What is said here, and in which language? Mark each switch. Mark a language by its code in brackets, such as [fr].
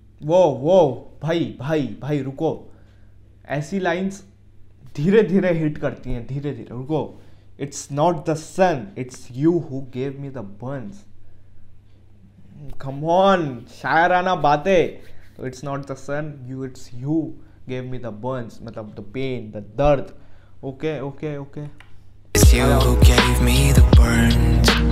[hi] Whoa, भाई रुको, ऐसी lines धीरे धीरे hit करती हैं, धीरे धीरे रुको। [en] It's not the sun, it's you who gave me the burns. Come on, [hi] शायराना बाते। [en] It's not the sun, you, it's you gave me the burns, [hi] मतलब [en] the pain, the dirt. Okay. It's you who gave me the burns.